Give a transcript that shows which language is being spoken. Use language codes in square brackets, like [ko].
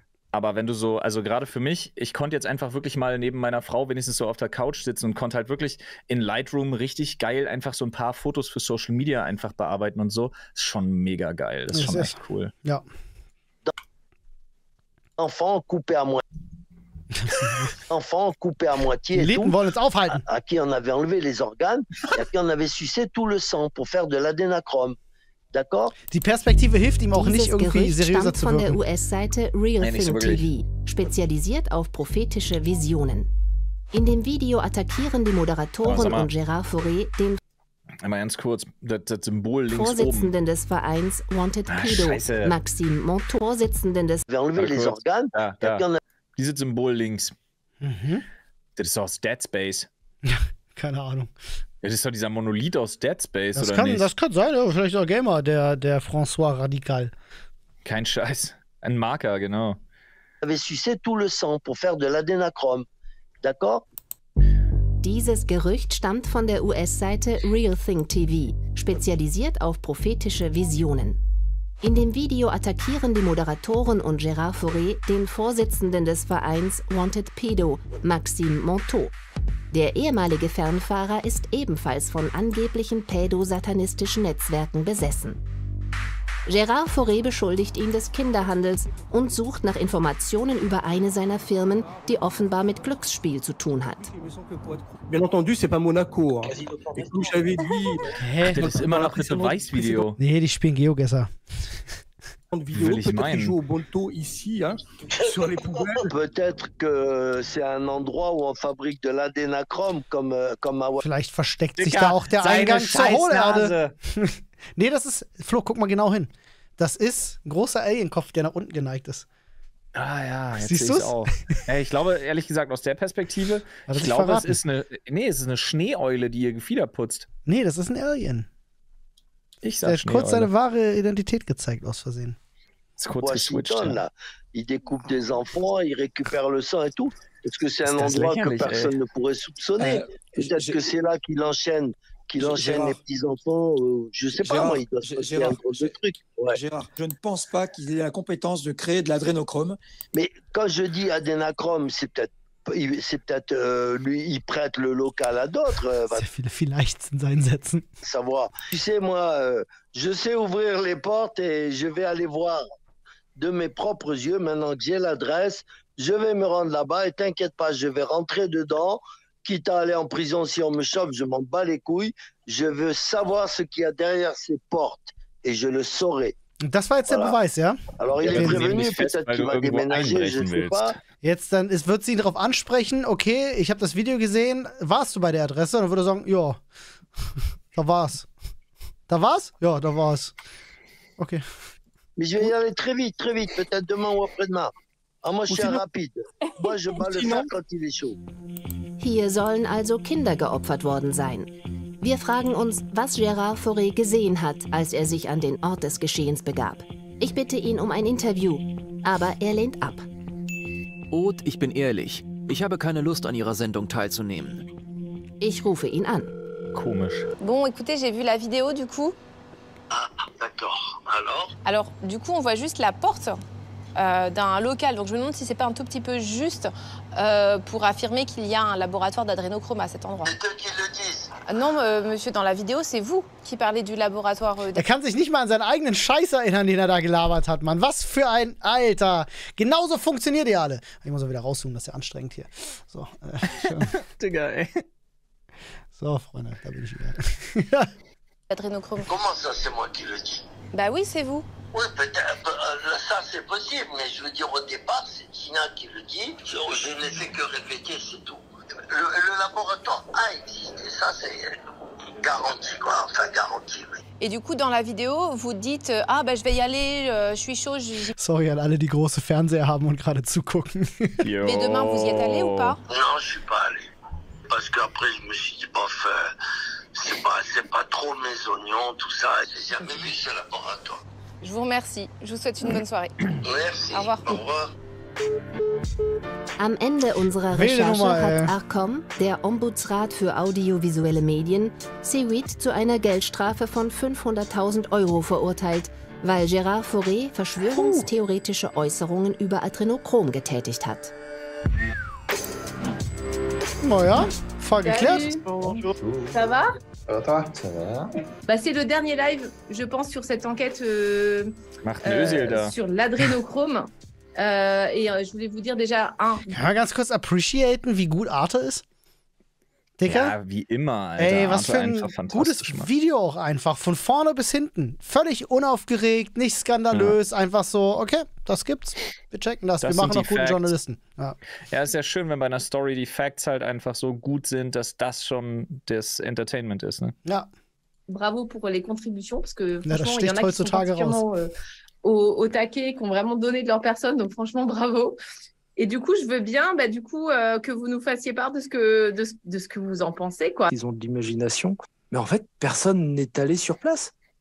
[de] Aber wenn du so, also gerade für mich, ich konnte jetzt einfach wirklich mal neben meiner Frau wenigstens so auf der Couch sitzen und konnte halt wirklich in Lightroom richtig geil einfach so ein paar Fotos für Social Media einfach bearbeiten und so. Ist schon mega geil. Das ist schon echt cool. Ja. [fr] Enfant coupé à moitié. Enfant coupé à moitié. Die [de] Lippen wollen uns aufhalten. [fr] À qui on avait enlevé les organes et à qui on avait sucé tout le sang pour faire de l'adénochrome. [de] Die Perspektive hilft ihm auch nicht, irgendwie seriöser zu wirken. Dieses Gerücht stammt von der US-Seite RealFilmTV, spezialisiert auf prophetische Visionen. In dem Video attackieren die Moderatoren und Gérard Fauré den Mal ganz kurz, das Symbol links Vorsitzenden oben. Des Vereins Wanted Pedo, Maxime Montour, Vorsitzenden des Organe. Dieses Symbol links. Mhm. Das ist aus Dead Space. Keine Ahnung. Das ist doch dieser Monolith aus Dead Space, das oder kann, nicht? Das kann sein, vielleicht auch Gamer, der François Radical. Kein Scheiß. Ein Marker, genau. [fr] Er avait sucé tout le sang pour faire de l'adénochrome. D'accord? [de] Dieses Gerücht stammt von der US-Seite Real Thing TV, spezialisiert auf prophetische Visionen. In dem Video attackieren die Moderatoren und Gérard Fauré den Vorsitzenden des Vereins Wanted Pedo, Maxime Monteau. Der ehemalige Fernfahrer ist ebenfalls von angeblichen pädosatanistischen Netzwerken besessen. Gérard Fauré beschuldigt ihn des Kinderhandels und sucht nach Informationen über eine seiner Firmen, die offenbar mit Glücksspiel zu tun hat. [fr] Bien entendu, c'est pas Monaco. J'avais dit, [de] das ist immer noch ein Beweisvideo. Nee, die spielen Geogesser. Und [fr] Video peut-être joue au Bonto ici hein, sur les poubelles. Peut-être que c'est un endroit où on fabrique de l'adénochrome comme [de] vielleicht versteckt sich da auch der Eingang zur Hohlerde. Nee, das ist, Flo, guck mal genau hin. Das ist ein großer Alienkopf, der nach unten geneigt ist. Ah ja, jetzt siehst du es auch. Ich glaube, ehrlich gesagt, aus der Perspektive, ich glaube, es ist eine Schneeeule, die ihr Gefieder putzt. Nee, das ist ein Alien. Ich sag Schneeeule. Er hat kurz seine wahre Identität gezeigt, aus Versehen. Ist kurz geswitcht. Ja. [fr] Il découpe des enfants, il récupère le sang et tout. Est-ce que c'est un endroit que personne ne pourrait soupçonner? Peut-être que c'est là qu'il enchaîne. Qu'il enchaîne les petits enfants, je sais pas, moi, il doit se faire un gros truc. Ouais. Gérard, je ne pense pas qu'il ait la compétence de créer de l'adrénochrome. Mais quand je dis adénochrome, c'est peut-être lui, il prête le local à d'autres. [de] Vielleicht in seinen Sätzen. [fr] Savoir. Tu sais, moi, je sais ouvrir les portes et je vais aller voir de mes propres yeux, maintenant que j'ai l'adresse, je vais me rendre là-bas et t'inquiète pas, je vais rentrer dedans. Quitte à aller en prison, si on me chope, je m'en bats les couilles. Je veux savoir ce qu'il y a derrière ces portes et je le saurai. [de] Das war jetzt voilà. Der Beweis, ja? [fr] Alors, il est prévenu, peut-être qu'il va déménager, je ne sais pas. [de] Jetzt dann, es wird sie ihn darauf ansprechen, okay, ich habe das Video gesehen, warst du bei der Adresse? Dann würde er sagen, ja, da war's. Da war's? Ja, da war's. Okay. Mais je vais y aller très vite, peut-être demain ou après-demain. Ah, moi, je suis rapide. Moi, je bats le fer quand il est chaud. Hier sollen also Kinder geopfert worden sein. Wir fragen uns, was Gérard Fauré gesehen hat, als er sich an den Ort des Geschehens begab. Ich bitte ihn um ein Interview, aber er lehnt ab. Oth, ich bin ehrlich. Ich habe keine Lust, an Ihrer Sendung teilzunehmen. Ich rufe ihn an. Komisch. [fr] Bon, écoutez, j'ai vu la vidéo, du coup. Ah, d'accord. Alors? Alors, du coup, on voit juste la porte. D'un local, donc je me demande si c'est pas un tout petit peu juste pour affirmer qu'il y a un laboratoire d'adrénochrome à cet endroit. Non, monsieur, dans la vidéo, c'est vous qui parlez du laboratoire. [de] Er kann sich nicht mal an seinen eigenen Scheiß erinnern, den da gelabert hat, Mann. Was für ein Alter. Genauso funktioniert ihr alle. Ich muss auch wieder rauszoomen, das ist ja anstrengend hier. So, Digga, ey. So, Freunde, da bin ich wieder. [fr] Adrénochrome. Comment ça, c'est moi qui le dis? Bah oui, c'est vous. Oui, peut-être. Ça, c'est possible, mais je veux dire, au départ, c'est Gina qui le dit. Je ne fais que répéter, c'est tout. Le laboratoire a existé, ça, c'est garanti, quoi. Enfin, garanti, oui. Et du coup, dans la vidéo, vous dites, ah, ben, je vais y aller, je suis chaud. [de] Sorry an alle, die große Fernseher haben und gerade zugucken. [fr] Mais demain, vous y êtes allé ou pas? Non, je suis pas allé. Parce qu'après, je me suis dit, bof. C'est pas trop mes oignons, tout ça. J'ai jamais vu ce laboratoire. Je vous remercie. Je vous souhaite une bonne soirée. Merci. Au revoir. Au revoir. [de] Am Ende unserer Recherche hat Arcom, der Ombudsrat für audiovisuelle Medien, Seaweed zu einer Geldstrafe von 500.000 Euro verurteilt, weil Gérard Fauré verschwörungstheoretische Äußerungen über Adrénochrome getätigt hat. Naja, Frage geklärt. [fr] Ça va? Ça va. Bah, c'est le dernier live, je pense, sur cette enquête sur l'adrénochrome. je voulais vous dire déjà un. [de] Kann man ganz kurz appreciaten, wie gut Arte ist? Dicker? Ja, wie immer, Alter. Ey, was für ein gutes Video auch einfach, von vorne bis hinten. Völlig unaufgeregt, nicht skandalös, einfach so, okay, das gibt's, wir checken das, wir machen auch guten Journalisten. Ja. Ja, ist ja schön, wenn bei einer Story die Facts halt einfach so gut sind, dass das schon das Entertainment ist, ne? Ja. [fr] Bravo pour les contributions, parce que [de] ja, das sticht [fr] y en a [de] heutzutage [fr] qui sont [de] raus. [fr] Au taquet, qui ont vraiment donné de leur personne, donc franchement, bravo. Et du coup, je veux bien que vous nous fassiez part de ce que vous en pensez, quoi. Ils ont de l'imagination. Mais en fait, personne n'est allé sur place.